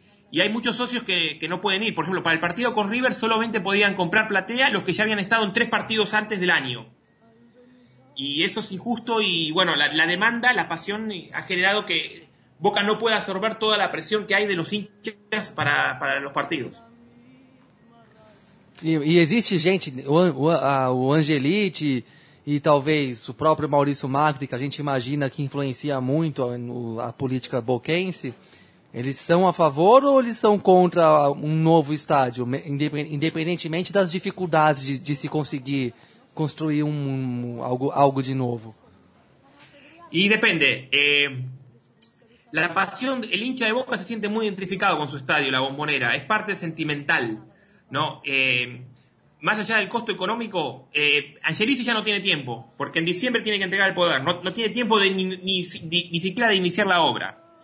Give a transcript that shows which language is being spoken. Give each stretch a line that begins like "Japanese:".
Spanish: Y hay muchos socios que no pueden ir. Por ejemplo, para el partido con River solamente podían comprar platea los que ya habían estado en 3 partidos antes del año. Y eso es injusto y, bueno, la demanda, la pasión ha generado que Boca no pueda absorber toda la presión que hay de los hinchas para los partidos.
Portuguese: E existe gente, o Angelici e talvez o próprio Maurício Macri, que a gente imagina que influencia muito a política boquense, eles são a favor ou eles são contra um novo estádio, independentemente das dificuldades de se conseguir construir algo de novo? E depende.
Spanish: La pasión, el hincha de Boca se siente muy identificado con su estadio, la Bombonera, es parte sentimental, ¿no? Más allá del costo económico, Angelici ya no tiene tiempo, porque en diciembre tiene que entregar el poder, no tiene tiempo de ni siquiera de iniciar la obra.